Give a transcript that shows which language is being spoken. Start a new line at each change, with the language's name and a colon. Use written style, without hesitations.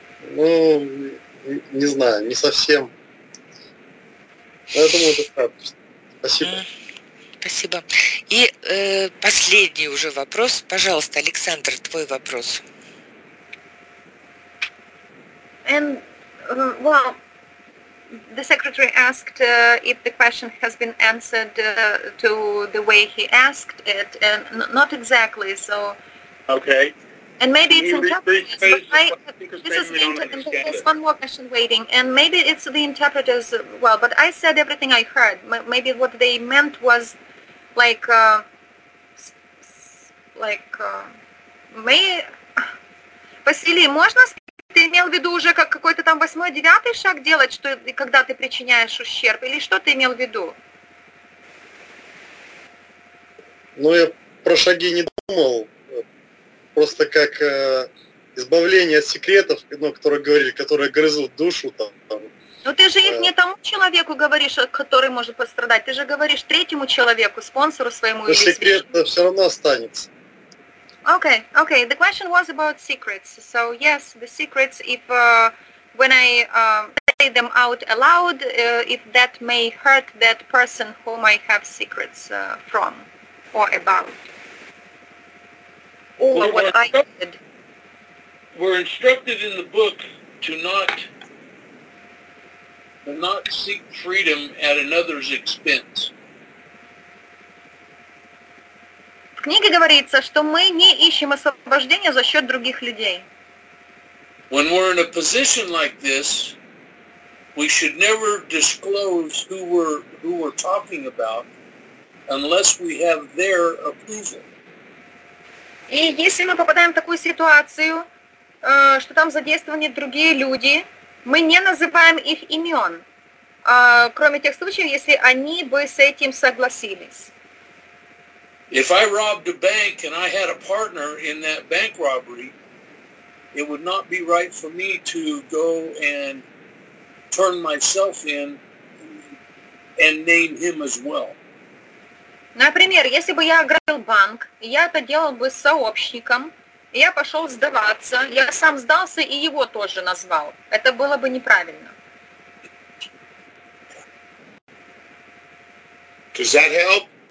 Russian: Ну, не знаю, не совсем. Но я думаю, это правда. Спасибо. Спасибо. И последний уже вопрос. Пожалуйста, Александр, твой вопрос.
English: Well, the secretary asked if the question has been answered to the way he asked it, and not exactly, so... Okay. And maybe it's one more question waiting, and maybe it's the interpreters, well, but I said everything I heard. Maybe what they meant was
Russian: Василий, можно сказать, ты имел в виду уже какой-то там восьмой, девятый шаг делать, что когда ты причиняешь ущерб, или что ты имел в виду? Ну, я про шаги не думал. Просто как избавление от секретов, которые говорили, которые грызут душу там. Но ты же их не тому человеку говоришь, который может пострадать. Ты же говоришь третьему человеку, спонсору своему. Но секрет все равно останется.
English: Okay, okay. The question was about secrets. So yes, the secrets. If when I say them out aloud if that may hurt that person whom I have secrets from or about. Or well, what I did. We're instructed in the book to not seek freedom at another's expense.
Russian: В книге говорится, что мы не ищем освобождения за счет других людей.
English: When we're in a position like this, we should never disclose who we're talking about unless we have their approval.
Russian: И если мы попадаем в такую ситуацию, что там задействованы другие люди, мы не называем их имен, кроме тех случаев, если они бы с этим согласились.
English: If I robbed a bank and I had a partner in that bank robbery, it would not be right for me to go and turn myself in and name him as well.
Russian: Например, если бы я ограбил банк, я это делал бы с сообщником, я пошел сдаваться, я сам сдался и его тоже назвал. Это было бы неправильно.
English: Does that help?